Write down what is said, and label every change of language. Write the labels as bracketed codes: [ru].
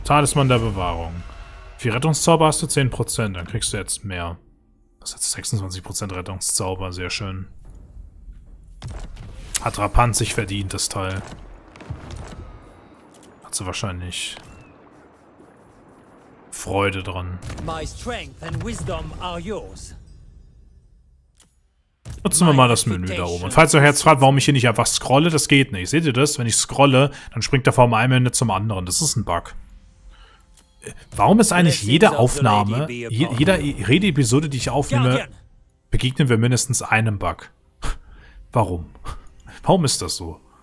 [de] Talisman der Bewahrung. Für Rettungszauber hast du 10%, dann kriegst du jetzt mehr. Das ist jetzt 26% Rettungszauber, sehr schön. Hat Rapant sich verdient, das Teil. Hat sie wahrscheinlich Freude dran. [en] My strength and wisdom are yours. [de] Nutzen wir mal das Menü da oben. Und falls ihr euch jetzt fragt, warum ich hier nicht einfach scrolle, das geht nicht. Seht ihr das? Wenn ich scrolle, dann springt er vom einen Ende zum anderen. Das ist ein Bug. Warum ist eigentlich jede Aufnahme, jeder Rede-Episode, die ich aufnehme, begegnen wir mindestens einem Bug? Warum? Warum ist das so?